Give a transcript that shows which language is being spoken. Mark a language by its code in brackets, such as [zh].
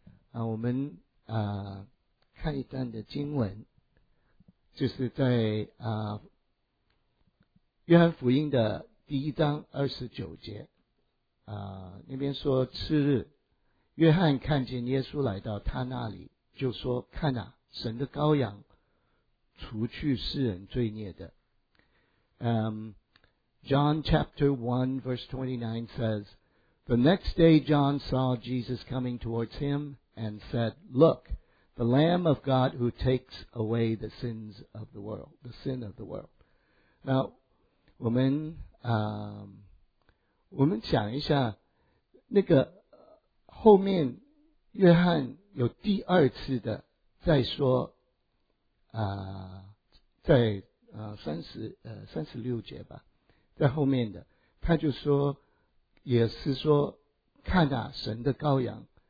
[zh] 啊，我们啊，看一段的经文，就是在啊约翰福音的第一章29节，啊那边说，次日，约翰看见耶稣来到他那里，就说：“看啊，神的羔羊，除去世人罪孽的。” [en] John chapter 1 verse 29 says, "The next day John saw Jesus coming towards him and said, Look, the Lamb of God who takes away the sins of the world, the sin of the world." Now, [zh] 我们想一下，那个后面约翰有第二次的再说在36节吧，在后面的他就说，也是说，看啊，神的羔羊。